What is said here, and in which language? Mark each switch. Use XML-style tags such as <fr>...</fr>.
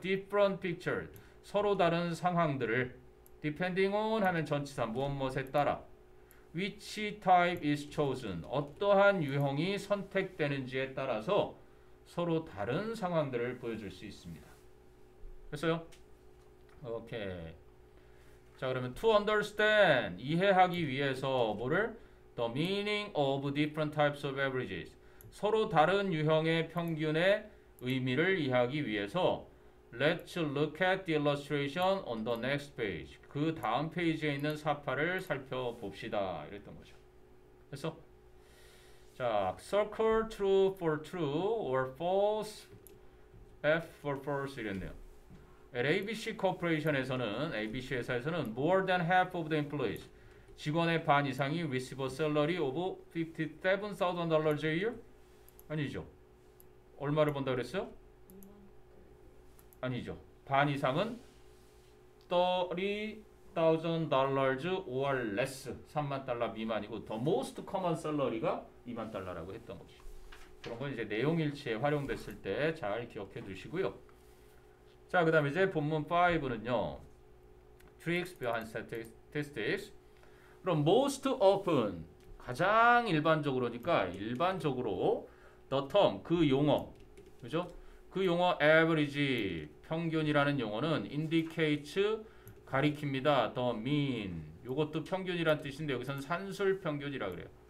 <en>Different picture,</en> <ko>서로 다른 상황들을</ko> <en>depending on</en> <ko>하면 전치사, 무엇무엇에 따라</ko> <en>which type is chosen,</en> <ko>어떠한 유형이 선택되는지에 따라서 서로 다른 상황들을 보여줄 수 있습니다. 됐어요? 오케이. 자, 그러면 to understand, 이해하기 위해서 뭐를?</ko> <en>The meaning of different types of averages,</en> <ko>서로 다른 유형의 평균의 의미를 이해하기 위해서</ko> <en>Let's look at the illustration on the next page.</en> <ko>그 다음 페이지에 있는 사파를 살펴봅시다. 이랬던 거죠. 됐어?</ko> <en>자, circle true for true or false, F for false</en> <ko>이랬네요.</ko> <en>At ABC Corporation에서는,</en> <ko>ABC 회사에서는</ko> <en>more than half of the employees,</en> <ko>직원의 반 이상이</ko> <en>receive a salary of $57,000 a year?</en> <ko>아니죠. 얼마를 번다 그랬어요? 아니죠. 반 이상은</ko> <en>$30,000 or less,</en> <ko>3만 달러 미만이고</ko> <en>the most common salary</en> <ko>가 2만 달러라고 했던 거지. 그런 건 이제 내용 일치에 활용됐을 때 잘 기억해 두시고요. 자, 그 다음에 이제 본문 5는요.</ko> <en>Tricks behind statistics.</en> <ko>그럼</ko> <en>most often,</en> <ko>가장 일반적으로니까 일반적으로</ko> <en>the term,</en> <ko>그 용어, 그죠? 그 용어 average, 평균이라는 용어는 indicates, 가리킵니다.</ko> <en>The mean,</en> <ko>이것도 평균이란 뜻인데 여기서는 산술평균이라 그래요.</ko>